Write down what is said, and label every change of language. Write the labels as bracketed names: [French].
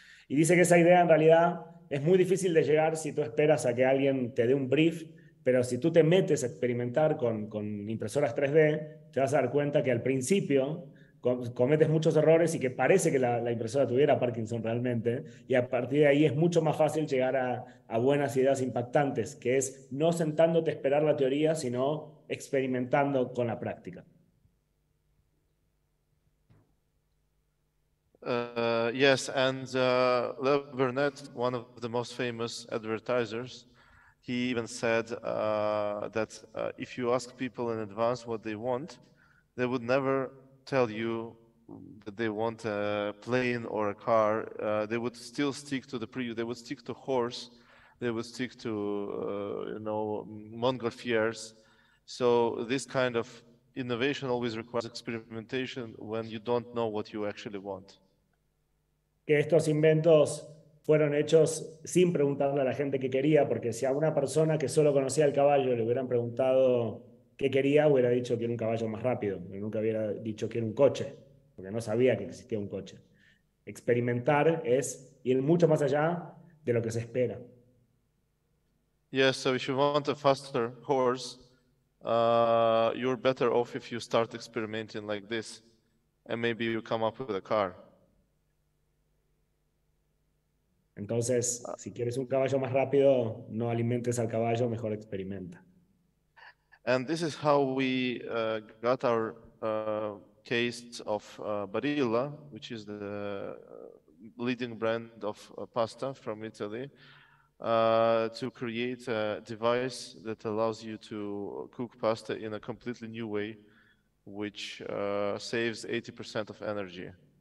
[Spanish] Y dice que esa idea en realidad es muy difícil de llegar si tú esperas a que alguien te dé un brief, pero si tú te metes a experimentar con impresoras 3D, te vas a dar cuenta que al principio cometes muchos errores y que parece que la impresora tuviera Parkinson realmente, y a partir de ahí es mucho más fácil llegar a buenas ideas impactantes, que es no sentándote a esperar la teoría, sino experimentando con la práctica. [English] Yes, and Le Burnett, one of the most famous advertisers, he even said that if you ask people in advance what they want, they would never tell you that they want a plane or a car. They would still stick to the preview. They would stick to horse. They would stick to, Montgolfiers. So this kind of innovation always requires experimentation when you don't know what you actually want. [Spanish] Que estos inventos fueron hechos sin preguntarle a la gente qué quería, porque si a una persona que solo conocía el caballo le hubieran preguntado qué quería, hubiera dicho que era un caballo más rápido, pero nunca hubiera dicho que era un coche, porque no sabía que existía un coche. Experimentar es ir mucho más allá de lo que se espera. [English] Yes, so if you want a faster horse, you're better off if you start experimenting like this, and maybe you come up with a car. [Spanish] Entonces, si quieres un caballo más rápido, no alimentes al caballo, mejor experimenta. [English] And this is how we got our case of Barilla, which is the leading brand of pasta from Italy, to create a device that allows you to cook pasta in a completely new way, which saves 80% of energy.